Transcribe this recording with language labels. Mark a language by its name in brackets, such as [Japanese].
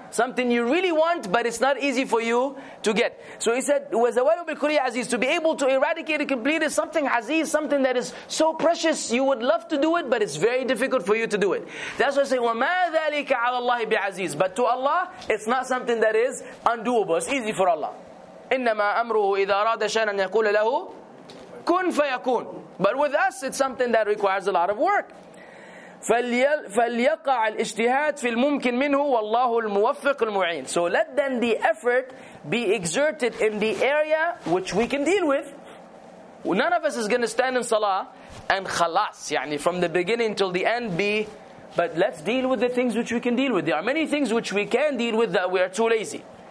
[English] Something you really want, but it's not easy for you to get. So he said, [Arabic] وَزَوَلُوا بِالْكُلِيَ عَزِيزٍ [English] To be able to eradicate it completely, something aziz, something that is so precious, you would love to do it, but it's very difficult for you to do it. That's why I say, [Arabic] وَمَا ذَلِكَ عَلَى اللَّهِ بِعَزِيزٍ [English] But to Allah, it's not something that is undoable. It's easy for Allah. [Arabic] إنما أمره إذا أراد شيئا أن يقول له كن فيكون. [English] But with us it's something that requires a lot of work. [Arabic] فليقع الاجتهاد في الممكن منه والله الموفق المعين. [English] So let then the effort be exerted in the area which we can deal with. None of us is going to stand in salah and [Arabic] خلاص يعني [English] from the beginning till the end be, but let's deal with the things which we can deal with. There are many things which we can deal with that we are too lazy.